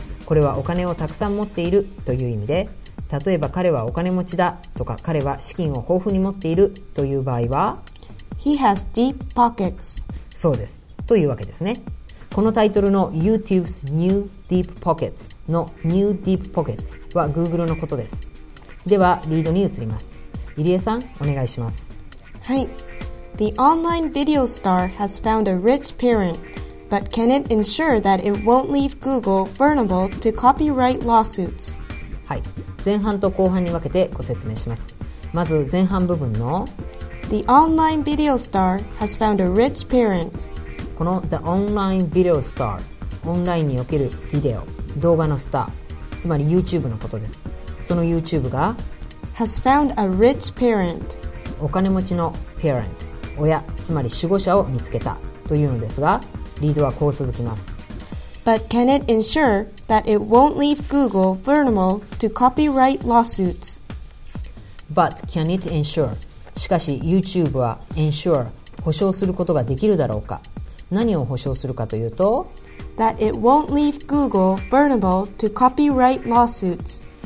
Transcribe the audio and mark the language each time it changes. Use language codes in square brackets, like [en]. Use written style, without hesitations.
[ja] これはお金をたくさん持っているという意味で、例えば彼はお金持ちだとか彼は資金を豊富に持っているという場合は [en] He has deep pockets。 [ja] そうです、というわけですね。このタイトルの [en] YouTube's New Deep Pockets [ja] の New Deep Pockets は Google のことです。ではリードに移ります。入江さん、お願いします。はい。 [en] The online video star has found a rich parent, but can it ensure that it won't leave Google vulnerable to copyright lawsuits? [ja] はい、前半と後半に分けてご説明します。まず前半部分の [en] The online video star has found a rich parent。 [ja] この [en] The Online Video Star、 [ja] オンラインにおけるビデオ、動画のスター、つまり YouTube のことです。その YouTube が [en] Has found a rich parent。 [ja] お金持ちの parent、 親、つまり守護者を見つけたというのですが、リードはこう続きます。 [en] But can it ensure that it won't leave Google vulnerable to copyright lawsuits? But can it ensure、 [ja] しかし YouTube は ensure、 保証することができるだろうか。何を保証するかというと [en] That it won't leave Google vulnerable to copyright lawsuits。